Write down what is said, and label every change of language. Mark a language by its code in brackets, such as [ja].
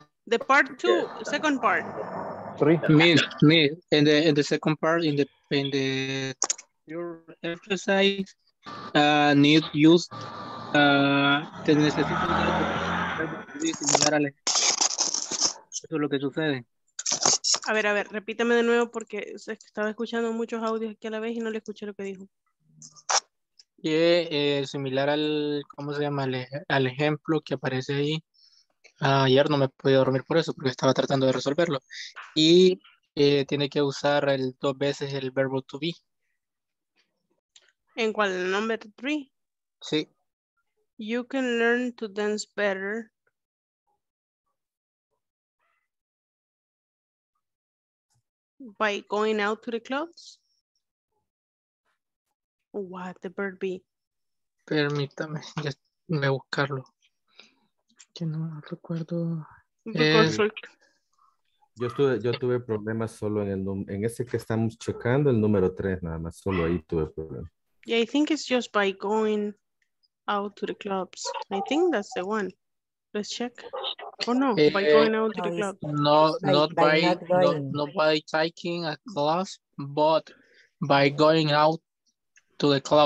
[en] The part two, yeah. Second part. Three. Me. In the second part, in the your exercise, need use the necessity. [es] Eso es lo que sucede. A ver, repítame de nuevo porque estaba escuchando muchos audios aquí a la vez y no le escuché lo que dijo. Similar al, ¿cómo se llama? Al ejemplo que aparece ahí. Ayer no me pude dormir por eso porque estaba tratando de resolverlo. Y tiene que usar el dos veces el verbo to be. ¿En cuál? [en] Number three. [es] Sí. [en] You can learn to dance better. By going out to the clubs? What the bird be? [es] Permítame, ya me voy a buscarlo. Que no recuerdo. Yo tuve problemas solo en el en ese que estamos checando, el número 3, nada más, solo ahí tuve problemas. [en] Yeah, I think it's just by going out to the clubs. I think that's the one. Let's check. By going out to the club.